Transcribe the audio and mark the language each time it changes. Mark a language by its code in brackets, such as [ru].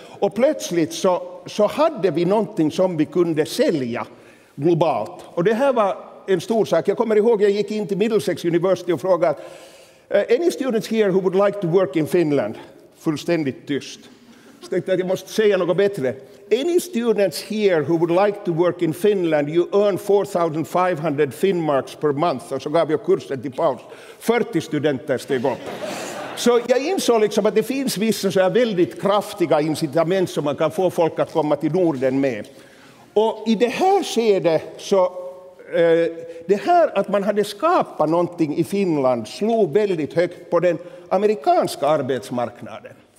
[sv] Och plötsligt så hade vi någonting som vi kunde sälja globalt. Och det här var en stor sak. Jag kommer ihåg, jag gick in till Middlesex University och frågade [en] any students here who would like to work in Finland? [sv] Fullständigt tyst. Så tänkte jag att jag måste säga något bättre. [en] Any students here who would like to work in Finland, you earn 4,500 finmarks per month. [sv] Och så gav jag kursen till paus. 40 studenter steg upp. Så jag insåg liksom att det finns vissa så här väldigt kraftiga incitament som man kan få folk att komma till Norden med. Och i det här skedet så det här att man hade skapat någonting i Finland slog väldigt högt på den amerikanska arbetsmarknaden.